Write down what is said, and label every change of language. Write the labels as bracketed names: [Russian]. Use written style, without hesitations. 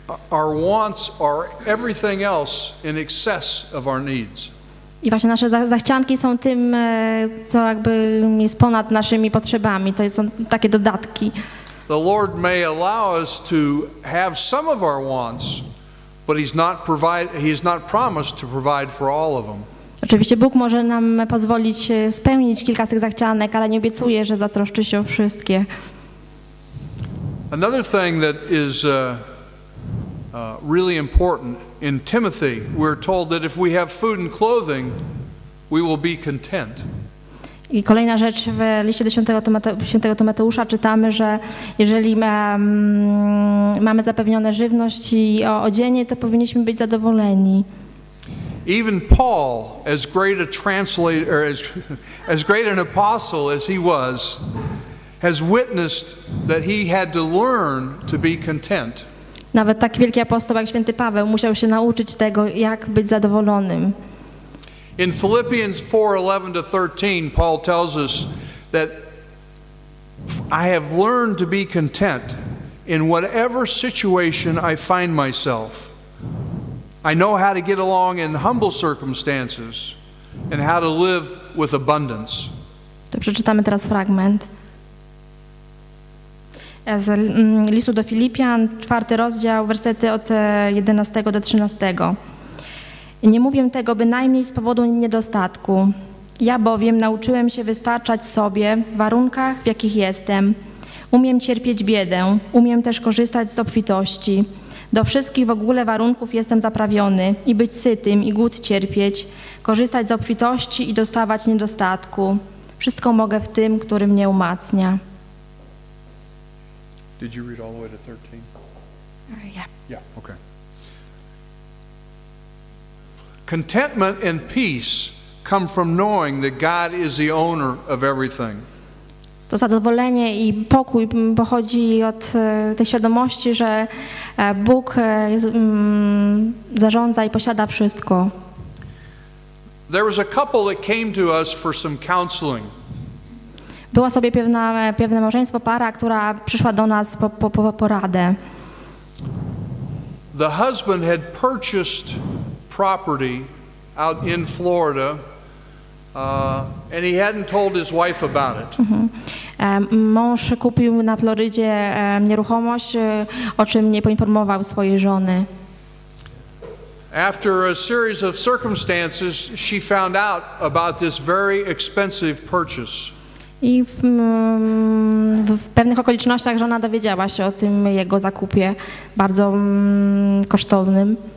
[English] Our wants are everything else in excess of our needs. [Polish] I właśnie nasze zachcianki są tym, co jakby jest ponad naszymi potrzebami. To są takie dodatki. [English] The Lord may allow us to have some of our wants, but he's not promised to provide for all of them. [Polish] Oczywiście Bóg może nam pozwolić spełnić kilka z tych zachcianek, ale nie obiecuje, że zatroszczy się o wszystkie. [English] Another thing that is really important in Timothy, we're told that if we have food and clothing, we will be content. [Polish] I kolejna rzecz w liście do świętego Tymoteusza czytamy, że jeżeli mamy zapewnione żywność i odzienie, to powinniśmy być zadowoleni. [English] Even Paul, as great a translator, as great an apostle as he was, has witnessed that he had to learn to be content. [Polish] Nawet tak wielki apostoł jak święty Paweł musiał się nauczyć tego, jak być zadowolonym. [English] In Philippians 4:11-13, Paul tells us that I have learned to be content in whatever situation I find myself. I know how to get along in humble circumstances and how to live with abundance. [Polish] To przeczytamy teraz fragment. Z listu do Filipian, 4 rozdział, wersety od 11 do 13. Nie mówię tego bynajmniej z powodu niedostatku. Ja bowiem nauczyłem się wystarczać sobie w warunkach, w jakich jestem. Umiem cierpieć biedę, umiem też korzystać z obfitości. Do wszystkich w ogóle warunków jestem zaprawiony i być sytym, i głód cierpieć, korzystać z obfitości i dostawać niedostatku. Wszystko mogę w tym, który mnie umacnia. [English] Did you read all the way to 13? Yeah, okay. Contentment and peace come from knowing that God is the owner of everything. [Polish] To zadowolenie i pokój pochodzi od tej świadomości, że Bóg jest, zarządza i posiada wszystko. [English] There was a couple that came to us for some counseling. [Polish] Była sobie pewne małżeństwo, para, która przyszła do nas po radę. [English] The husband had purchased property out in Florida, and he hadn't told his wife about it. [Polish] Mąż kupił na Florydzie nieruchomość, o czym nie poinformował swojej żony. [English] After a series of circumstances, she found out about this very expensive purchase. [Polish] I w pewnych okolicznościach żona dowiedziała się o tym jego zakupie bardzo kosztownym.